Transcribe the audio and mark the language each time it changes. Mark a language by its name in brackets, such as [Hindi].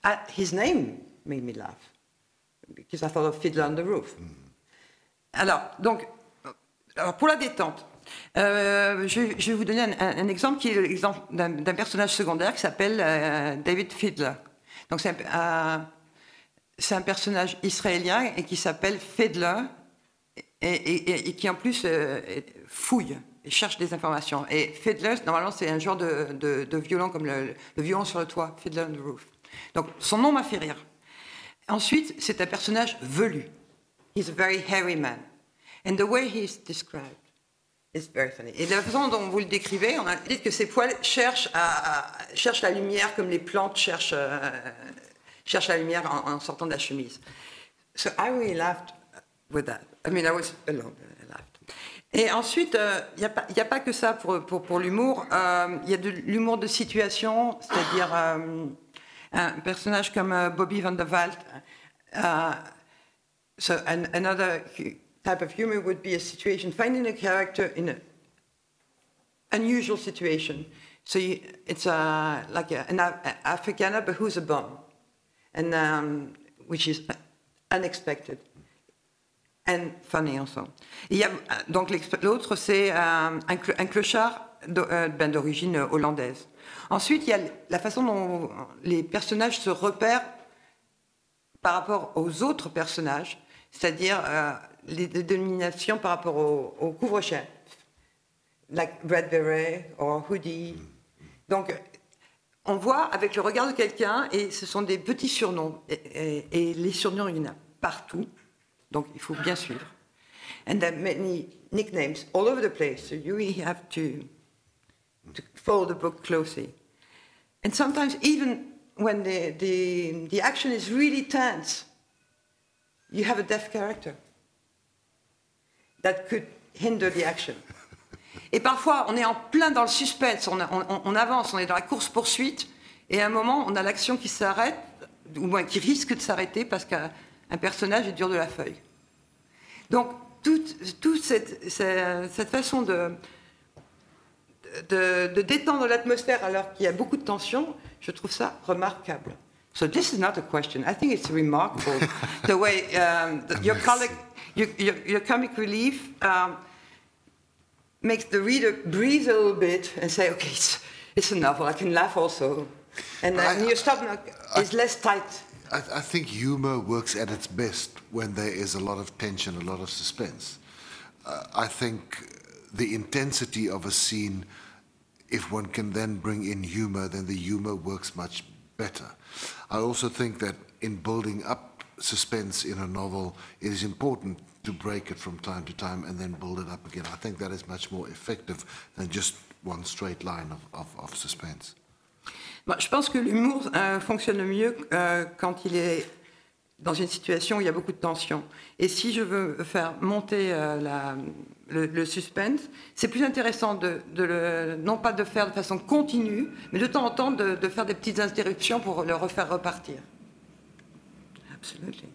[English] His name made me laugh because I thought of Fiddler on the Roof. Mm. [French] Alors, pour la détente, je vais vous donner un exemple qui est l'exemple d'un personnage secondaire qui s'appelle David Fiddler. Donc c'est un personnage israélien et qui s'appelle Fiddler. Et qui en plus fouille et cherche des informations. Et Fiddler, normalement, c'est un genre de violon, comme le violon sur le toit, Fiddler on the Roof. Donc, son nom m'a fait rire. Ensuite, c'est un personnage velu. [English] He's a very hairy man. And the way he's described is very funny. [French] Et de la façon dont vous le décrivez, on a dit que ses poils cherchent la lumière comme les plantes cherchent la lumière en sortant de la chemise. [English] So I really laughed with that. I mean, I was alone. I laughed. [French] Et ensuite, il n'y a pas que ça pour l'humour. Il y a de l'humour de situation, c'est-à-dire un personnage comme Bobby Van der Waal. [English] Another type of humor would be a situation, finding a character in an unusual situation. So it's an Afrikaner, but who's a bum, and which is unexpected. And funny also. [French] Il y a, donc l'autre, c'est un clochard d'origine hollandaise. Ensuite, il y a la façon dont les personnages se repèrent par rapport aux autres personnages, c'est-à-dire les dénominations par rapport au couvre-chef, like Red Beret or Hoodie. Donc, on voit avec le regard de quelqu'un, et ce sont des petits surnoms. Et les surnoms, il y en a partout. Donc, il faut bien suivre. [English] And there are many nicknames all over the place, so you really have to follow the book closely. And sometimes, even when the action is really tense, you have a deaf character that could hinder the action. Et parfois, on est en plein dans le suspense, on avance, on est dans la course-poursuite, et à un moment, on a l'action qui s'arrête, ou moins qui risque de s'arrêter, parce qu'un personnage est dur de la feuille. Donc, toute cette façon de détendre l'atmosphère alors qu'il y a beaucoup de tension, je trouve ça remarquable. So this is not a question. I think it's remarkable the way your comic relief makes the reader breathe a little bit and say, okay, it's a novel. I can laugh also. And then your stomach is less tight. I think humor works at its best when there is a lot of tension, a lot of suspense. I think the intensity of a scene, if one can then bring in humor, then the humor works much better. I also think that in building up suspense in a novel, it is important to break it from time to time and then build it up again. I think that is much more effective than just one straight line of suspense. [French] Bon, je pense que l'humour fonctionne le mieux quand il est dans une situation où il y a beaucoup de tension. Et si je veux faire monter le suspense, c'est plus intéressant de faire de façon continue, mais de temps en temps de faire des petites interruptions pour le refaire repartir. Absolument.